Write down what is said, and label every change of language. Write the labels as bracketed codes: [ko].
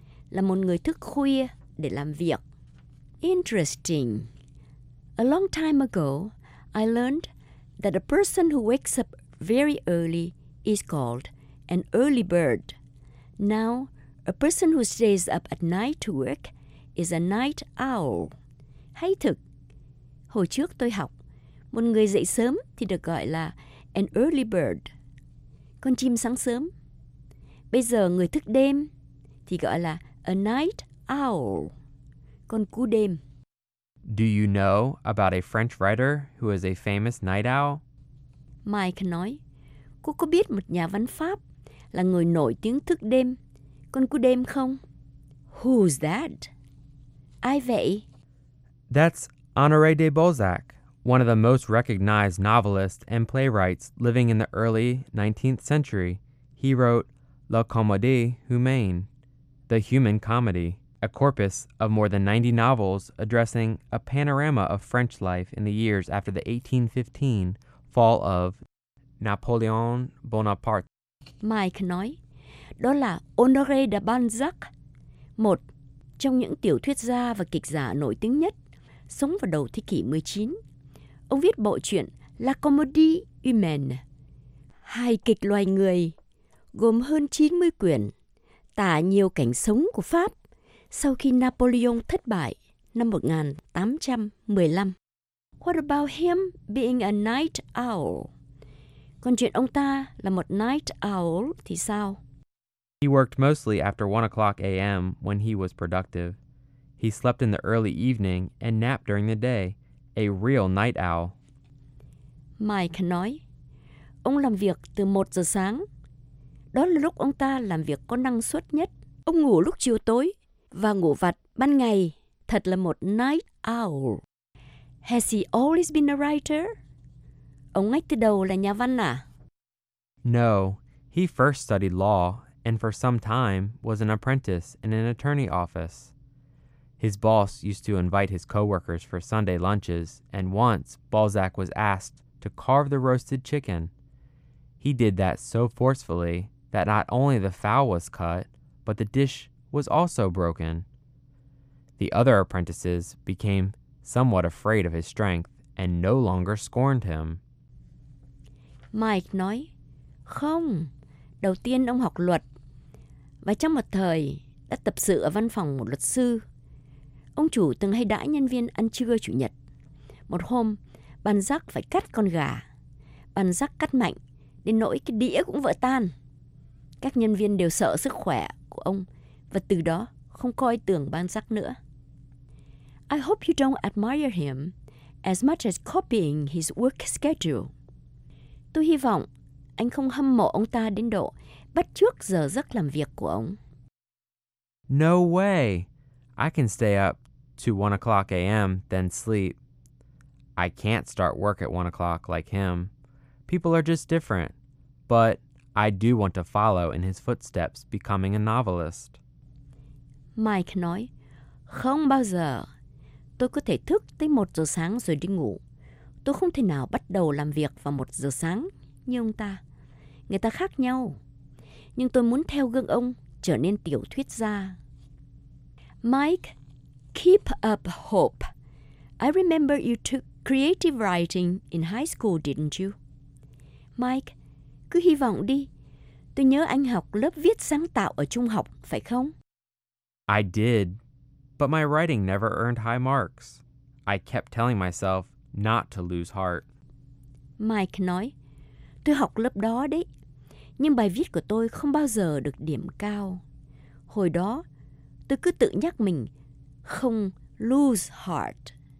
[vi] Là một người thức khuya để làm việc. [en] Interesting. A long time ago, I learned that a person who wakes up very early is called an early bird. Now, a person who stays up at night to work is a night owl. [vi] Hay thực! Hồi trước tôi học, một người dậy sớm thì được gọi là [en] an early bird, [vi] con chim sáng sớm. Bây giờ người thức đêm thì gọi là [en] a night owl, [vi] con cú đêm. [en] Do you know about a French writer who is a famous night owl? [vi] Mike nói, Cô có biết một nhà văn Pháp là người nổi tiếng thức đêm, con cú đêm không? [en] Who's that? [vi] Ai vậy? [en] That's Honoré de Balzac, one of the most recognized novelists and playwrights living in the early 19th century. He wrote La Comédie Humaine, The Human Comedy. A corpus of more than 90 novels addressing a panorama of French life in the years after the 1815 fall of Napoleon Bonaparte. [vi] Mike nói, đó là Honoré de Balzac, một trong những tiểu thuyết gia và kịch giả nổi tiếng nhất, sống vào đầu thế kỷ 19. Ông viết bộ truyện La Comédie Humaine, hài kịch loài người, gồm hơn 90 quyển, tả nhiều cảnh sống của Pháp. Sau khi Napoleon thất bại năm 1815. [en] What about him being a night owl? [vi] Còn chuyện ông ta là một night owl thì sao? [en] He worked mostly after 1 o'clock a.m. when he was productive. He slept in the early evening and napped during the day. A real night owl. [vi] Mike nói, ông làm việc từ 1 giờ sáng. Đó là lúc ông ta làm việc có năng suất nhất. Ông ngủ lúc chiều tối. Và ngủ vặt ban ngày, thật là một night owl. [en] Has he always been a writer? [vi] Ông ngay từ đầu là nhà văn à? [en] No, he first studied law and for some time was an apprentice in an attorney office. His boss used to invite his coworkers for Sunday lunches and once Balzac was asked to carve the roasted chicken. He did that so forcefully that not only the fowl was cut, but the dish was also broken. The other apprentices became somewhat afraid of his strength, and no longer scorned him. [vi] Mike nói, không, đầu tiên ông học luật, và trong một thời đã tập sự ở văn phòng một luật sư. Ông chủ từng hay đãi nhân viên ăn trưa chủ nhật. Một hôm, bàn giác phải cắt con gà. Bàn giác cắt mạnh, đến nỗi cái đĩa cũng vỡ tan. Các nhân viên đều sợ sức khỏe của ông, và từ đó không coi tưởng bàn giác nữa. [en] I hope you don't admire him as much as copying his work schedule. [vi] Tôi hy vọng anh không hâm mộ ông ta đến độ bắt chước giờ giấc làm việc của ông. [en] No way! I can stay up to 1 o'clock a.m. then sleep. I can't start work at 1 o'clock like him. People are just different. But I do want to follow in his footsteps becoming a novelist. [vi] Mike nói, không bao giờ. Tôi có thể thức tới 1 giờ sáng rồi đi ngủ. Tôi không thể nào bắt đầu làm việc vào 1 giờ sáng như ông ta. Người ta khác nhau. Nhưng tôi muốn theo gương ông trở nên tiểu thuyết gia. [en] Mike, keep up hope. I remember you took creative writing in high school, didn't you? [vi] Mike, cứ hy vọng đi. Tôi nhớ anh học lớp viết sáng tạo ở trung học, phải không? [en] I did, but my writing never earned high marks. I kept telling myself not to lose heart. [vi] Mike nói, tôi học lớp đó đấy, nhưng bài viết của tôi không bao giờ được điểm cao. Hồi đó, tôi cứ tự nhắc mình, không [en] lose heart.